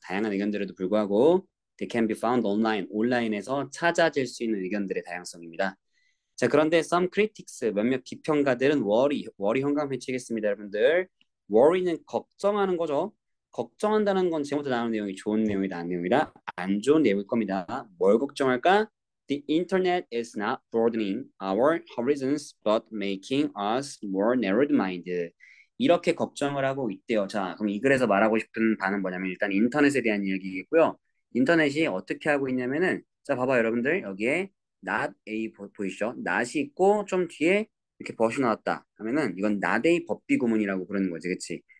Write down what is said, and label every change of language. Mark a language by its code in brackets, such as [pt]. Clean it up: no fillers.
[ko] 다양한 의견들에도 불구하고, [en] they can be found online, [ko] 온라인에서 찾아질 수 있는 의견들의 다양성입니다. 자, 그런데 [en] some critics, [ko] 몇몇 비평가들은 worry 현강 배치겠습니다, 여러분들. worry는 걱정하는 거죠. 걱정한다는 건 제목에 나오는 내용이 좋은 내용이다, 안 내용이다, 안 좋은 내용일 겁니다. 뭘 걱정할까? [en] The internet is not broadening our horizons, but making us more narrow-minded. [ko] 이렇게 걱정을 하고 있대요. 자, 그럼 이 글에서 말하고 싶은 바는 뭐냐면, 일단 인터넷에 대한 이야기겠고요. 인터넷이 어떻게 하고 있냐면은, 자, 봐봐, 여러분들. 여기에 not a, 보이시죠? not이 있고, 좀 뒤에 이렇게 벗이 나왔다 하면은 이건 not a 법비 구문이라고 부르는 거지, 그치?